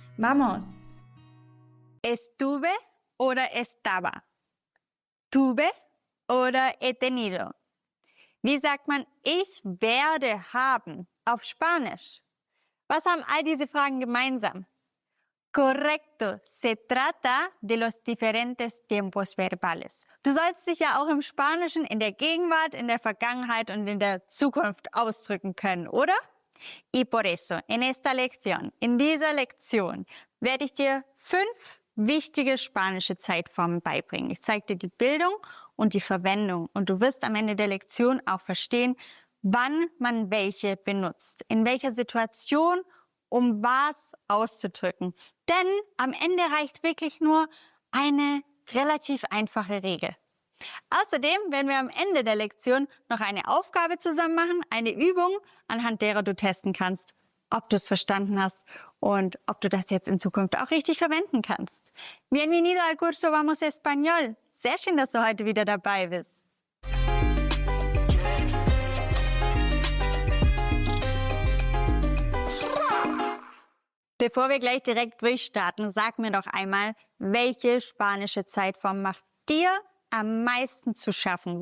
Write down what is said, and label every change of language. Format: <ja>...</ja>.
<es>¡Vamos! Estuve</es> <de>oder</de> <es>estaba. Tuve</es> <de>oder</de> <es>he tenido.</es> <de>Wie sagt man ich werde haben auf Spanisch? Was haben all diese Fragen gemeinsam?</de> <es>Correcto, se trata de los diferentes tiempos verbales.</es> <de>Du sollst dich ja auch im Spanischen in der Gegenwart, in der Vergangenheit und in der Zukunft ausdrücken können, oder?</de> <es>Y por eso, en esta lección,</es> <de>in dieser Lektion, werde ich dir 5 wichtige spanische Zeitformen beibringen. Ich zeige dir die Bildung und die Verwendung und du wirst am Ende der Lektion auch verstehen, wann man welche benutzt, in welcher Situation, um was auszudrücken. Denn am Ende reicht wirklich nur eine relativ einfache Regel. Außerdem werden wir am Ende der Lektion noch eine Aufgabe zusammen machen, eine Übung, anhand derer du testen kannst, ob du es verstanden hast und ob du das jetzt in Zukunft auch richtig verwenden kannst.</de> <es>Bienvenido al curso Vamos Español.</es> <de>Sehr schön, dass du heute wieder dabei bist. Bevor wir gleich direkt durchstarten, sag mir doch einmal, welche spanische Zeitform macht dir am meisten zu schaffen?</de>